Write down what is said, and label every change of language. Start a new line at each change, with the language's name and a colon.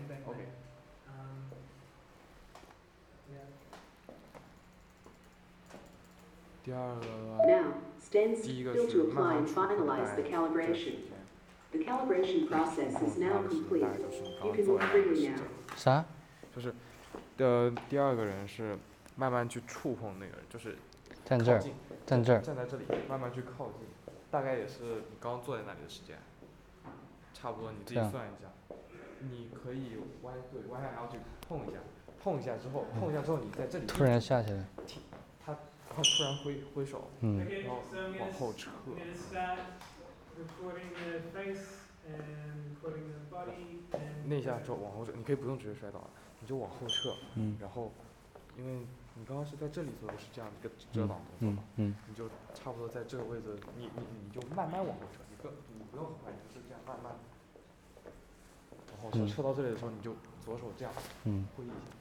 English: bang, bang, bang. Okay.
Chinese: 第二个
English: Now, stand still to apply and finalize the calibration. The calibration process is now complete. You can move freely now.
Chinese: 啥？就是，第二个人是慢慢去触碰那个人，就是站这儿，站这儿，站在这里，慢慢去靠近，大概也是你刚坐在那里的时间，差不多你自己算一下，你可以弯，对，弯下腰去碰一下，碰一下之后，碰一下之后你在这里突然下去了。他突然挥手，然后往后撤。
English: Okay, so I'm gonna start recording the face and recording the body and.
Chinese: 那一下之后往后撤，你可以不用直接摔倒，你就往后撤。然后，因为你刚刚是在这里做的是这样一个遮挡动作嘛。你就差不多在这个位置，你就慢慢往后撤，你不用很快，你就是这样慢慢。然后撤到这里的时候，你就左手这样挥一下。